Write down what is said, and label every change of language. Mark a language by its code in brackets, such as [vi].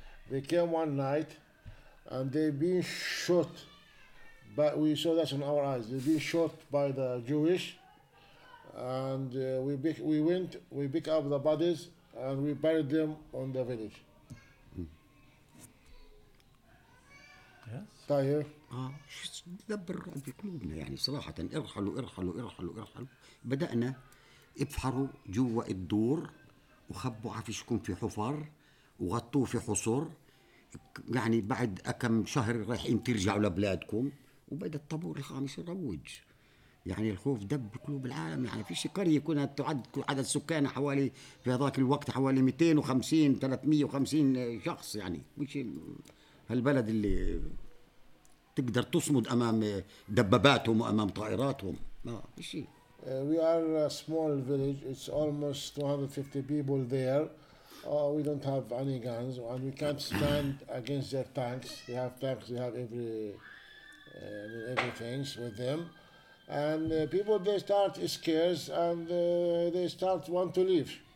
[en] They came one night and they been shot, but we saw that in our eyes. They been shot by the Jewish, and we pick up the bodies and we buried them on the village. Yes. [ar] طيب. اه دبر في قلوبنا يعني صراحة ارحلوا ارحلوا ارحلوا ارحلوا بدأنا ابحروا جوا الدور وخبوا عفش كون في حفر وغطوا في حصور يعني بعد كم شهر رايحين ترجعوا لبلادكم وبدأ الطابور الخامس يروج يعني الخوف دب قلوب العالم يعني فيش قرية كانت تعد عدد سكانها حوالي في هذاك الوقت حوالي 250 350 شخص يعني مش هالبلد اللي تقدر تصمد أمام دباباتهم وأمام طائراتهم ما في شيء. [en] We are a small village. It's almost 250 people there. We don't have any guns and we can't stand against their tanks. They have tanks. They have every everything with them. And people they start scared and they start want to leave.